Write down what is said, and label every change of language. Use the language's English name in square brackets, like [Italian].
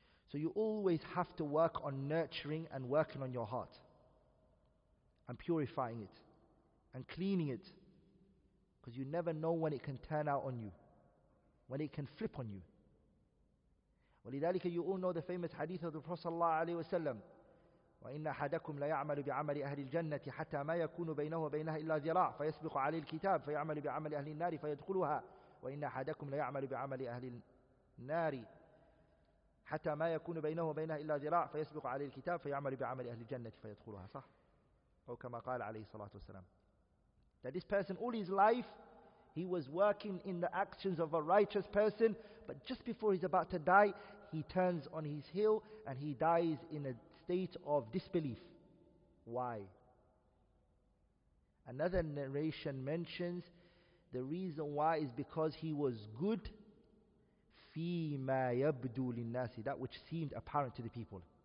[English] So you always have to work on nurturing and working on your heart and purifying it and cleaning it, because you never know when it can turn out on you, when it can flip on you. [Arabic] ولذلك, you all know the famous hadith of the Prophet sallallahu alaihi wasallam, وإن أحدكم لا يعمل بعمل أهل الجنة حتى ما يكون بينه وبينها إلا ذراع فيسبق عليه الكتاب فيعمل بعمل أهل النار فيدخلها وإن أحدكم لا يعمل بعمل أهل النار حتى ما يكون بينه وبينها إلا ذراع فيسبق عليه الكتاب فيعمل بعمل أهل الجنة فيدخلها صح أو كما قال عليه الصلاة والسلام. [English] That this person all his life he was working in the actions of a righteous person, but just before he's about to die he turns on his heel and he dies in a state of disbelief. Why? Another narration mentions the reason why is because he was good fima yabdu linnasi, that which seemed apparent to the people.